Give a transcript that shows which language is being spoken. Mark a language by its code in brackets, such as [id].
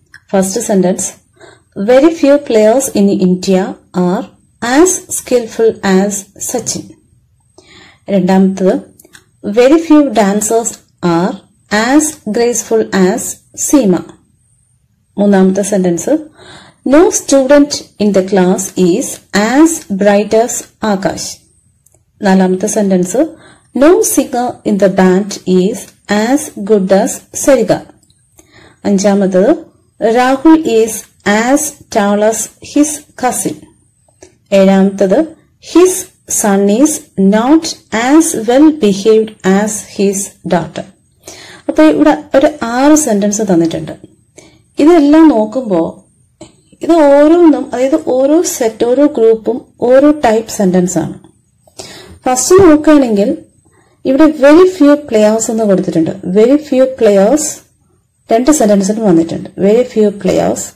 [en] First sentence, very few players in India are as skilful as Sachin. [ml] രണ്ടാമത്തത്, [en] Very few dancers are as graceful as Seema. [ml] മൂന്നാമത്തെ [en] Sentence, no student in the class is as bright as Akash. [ml] നാലാമത്തെ [en] Sentence, No singer in the band is as good as Sariga. [ml] അഞ്ചാമത്തത്, [en] Rahul is as tall as his cousin. [ml] ഏഴാമത്തത്, [en] His son is not as well behaved as his daughter. [ml] അപ്പൊ ഇവിടെ ഒരു ആറ് sentence തന്നിട്ടുണ്ട്. ഇതെല്ലാം നോക്കുമ്പോ ഇത് ഓരോന്നും, അതായത് ഓരോ സെറ്റ്, ഓരോ ഗ്രൂപ്പും ഓരോ ടൈപ്പ് സെന്റൻസ് ആണ്. ഫസ്റ്റ് നോക്കുകയാണെങ്കിൽ ഇവിടെ [en] very few players [ml] എന്ന് കൊടുത്തിട്ടുണ്ട്. [en] very few players [ml] രണ്ട് സെന്റൻസിനും വന്നിട്ടുണ്ട്, വെരി ഫ്യൂ പ്ലെയേഴ്സ്.